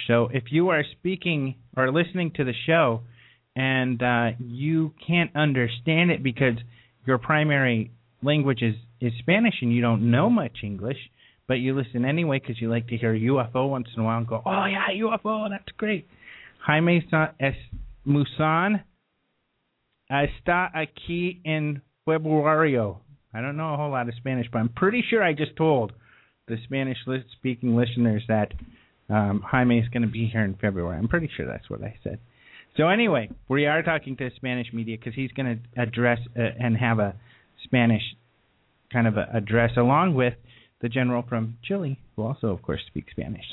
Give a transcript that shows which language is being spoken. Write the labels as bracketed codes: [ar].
[en] So if you are speaking or listening to the show and you can't understand it because your primary language is Spanish and you don't know much English, but you listen anyway because you like to hear UFO once in a while and go, oh yeah, UFO, that's great. [es] Jaime Maussan está aquí en Februario. [en] I don't know a whole lot of Spanish, but I'm pretty sure I just told the Spanish-speaking listeners that Jaime is going to be here in February. I'm pretty sure that's what I said. So anyway, we are talking to Spanish media because he's going to address and have a Spanish kind of address along with the general from Chile, who also, of course, speaks Spanish.